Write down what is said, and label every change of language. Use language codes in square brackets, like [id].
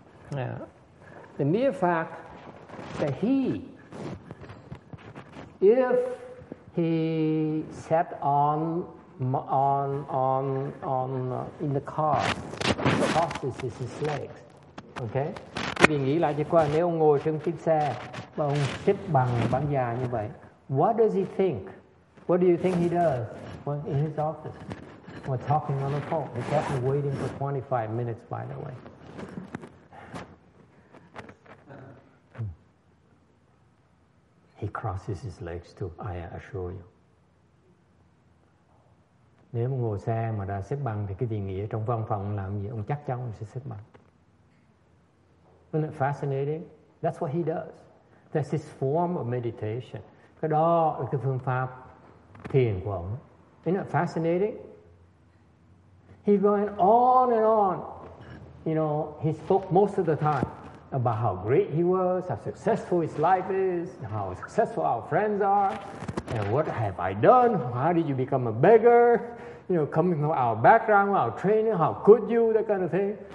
[en] The mere fact that he, if he sat on in the car, crosses his legs, okay? [vi] Quý vị nghĩ lại cho qua, nếu ông ngồi trên chiếc xe và ông xếp bằng bản già như vậy, [en] what does he think? What do you think he does when in his office? We're talking on the phone. He kept me waiting for 25 minutes, by the way. He crosses his legs too, I assure you. [vi] Nếu mà ngồi xe mà đã xếp bằng thì cái gì nghĩa trong văn phòng làm gì, ông chắc chắn sẽ xếp bằng. [en] Isn't it fascinating? That's what he does. That's his form of meditation. [vi] Cái đó là cái phương pháp thiền của ông. [en] Isn't it fascinating? He's going on and on. You know, he spoke most of the time. about how great he was, how successful his life is, how successful our friends are, and what have I done? How did you become a beggar? You know, coming from our background, our training, how could you, that kind of thing.